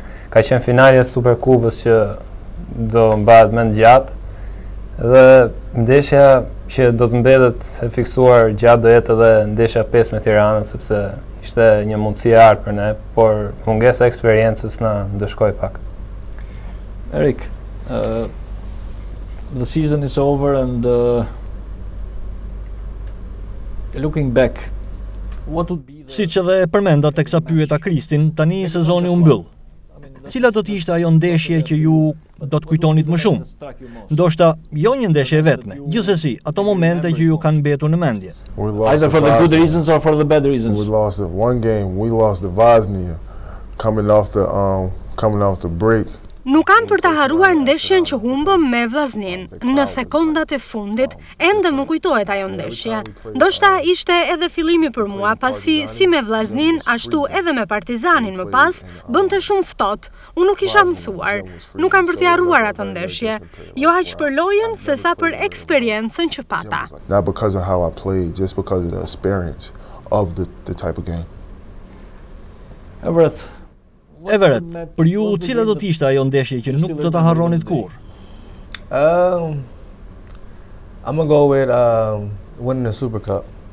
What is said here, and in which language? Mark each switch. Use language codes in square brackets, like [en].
[sq] Ka qenë finalja e Superkupës që do mbahet më gjatë. Dhe ndeshja që do të mbetet e fiksuar gjatë do jetë edhe ndeshja 5 me Tiranën, sepse ishte një mundësi e artë për ne, por mungesa e eksperiencës na ndëshkoi pak. [en] Erik, the season is over and looking back, what would be the... [sq] Siç edhe përmenda teksa pyeta Kristin, tani sezoni u mbyll. Cila do të ishte ajo ndeshje që ju do të kujtonit më shumë? Ndoshta jo një ndeshje e vetme, gjithsesi ato momente që ju kanë mbetur në mendje. [en] Either for the good reasons or for the bad reasons. We lost the one game, we lost the Vaznia coming off the break. [sq] Nuk kam për ta haruar ndeshjen që humbëm me Vllaznin. Në sekondat e fundit, ende më kujtohet ajo ndeshje. Ndoshta ishte edhe fillimi për mua, pasi si me Vllaznin, ashtu edhe me Partizanin më pas, bënte shumë ftohtë. Unë nuk isha mësuar. Nuk kam për t'i haruar atë ndeshje. Jo aq për lojën, se sa për eksperiencën që pata. [en] Not because of how I played, just because of the experience of the type of game. Everett. [sq] E vërtet, për ju cila do të ishte ajo ndeshje që nuk do ta harronit kurrë? [en] I'm gonna go with winning the Super Cup.